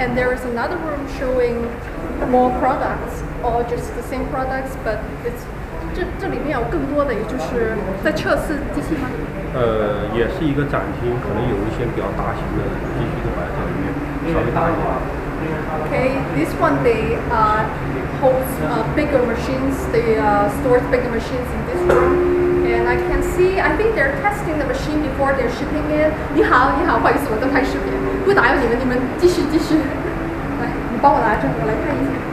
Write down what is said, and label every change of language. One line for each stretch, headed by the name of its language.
English: And there is another room showing more products, or just the same products, but it's.
Chinese: 这里面有更多的，也就是在测试机器吗？也是一个展厅，可能有一些比较大型的机器都摆在里面，稍微大一点。
English: Okay, this one they holds bigger machines. They stores bigger machines in this room. And I can see, I think they're testing the machine before they're shipping it.
Chinese: 你好，你好，不好意思，我在拍视频，不打扰你们，你们继续继续。来，你帮我拿着，我来看一下。